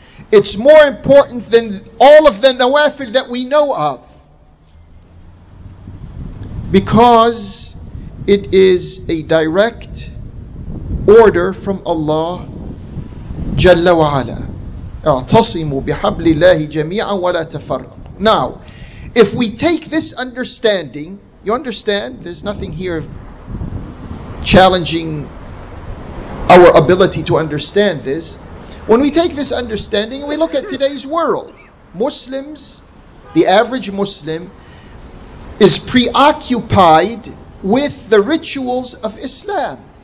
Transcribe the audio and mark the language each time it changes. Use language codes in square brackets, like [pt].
[en] It's more important than all of the nawafil that we know of, because it is a direct order from Allah Jalla wa ala. [ar] اعتصموا بحبل الله جميعا ولا تفرق. [en] Now, if we take this understanding, you understand, there's nothing here challenging our ability to understand this. When we take this understanding, we look at today's world. Muslims, the average Muslim, is preoccupied with the rituals of Islam.